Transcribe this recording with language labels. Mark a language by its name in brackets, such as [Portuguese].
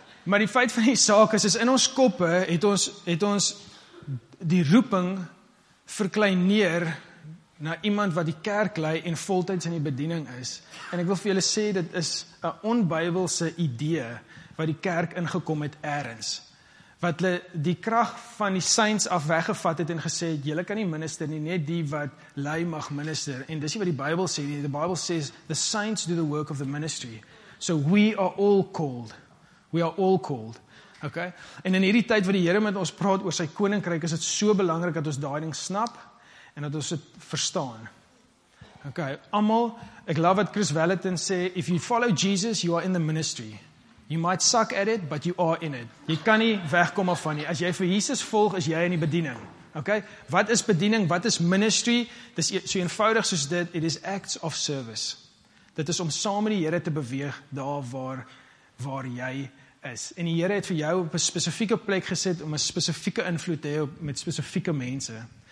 [Afrikaans] Maar die feit van die saak is in ons koppe het ons die roeping verkleineer na iemand wat die kerk lei en voltyds in die bediening is. En ek wil vir julle sê, dit is 'n onbybelse idee wat die kerk ingekom het ergens. Wat hulle die krag van die saints af weggevat het en gesê het, julle kan nie minister nie, net die wat lei mag minister. En dis nie wat die Bybel sê nie. [English] The Bible says, the saints do the work of the ministry. So we are all called. We are all called. Okay? [Afrikaans] En in hierdie tyd wat die Here met ons praat oor sy koninkryk, is dit so belangrik dat ons daai ding snap en dat ons dit verstaan. Okay, almal, ek love wat Chris Wellington sê, [English] if you follow Jesus, you are in the ministry. You might suck at it, but you are in it. [Afrikaans] Jy kan nie wegkom af van nie. As jy vir Jesus volg, is jy in die bediening. Okay? Wat is bediening? Wat is ministry? Dis so eenvoudig soos dit. [English] It is acts of service. [Afrikaans] Dit is om saam met die Here te beweeg daar waar jy is. En die Here het vir jou op 'n spesifieke plek gesit om 'n spesifieke invloed te hê met spesifieke mense.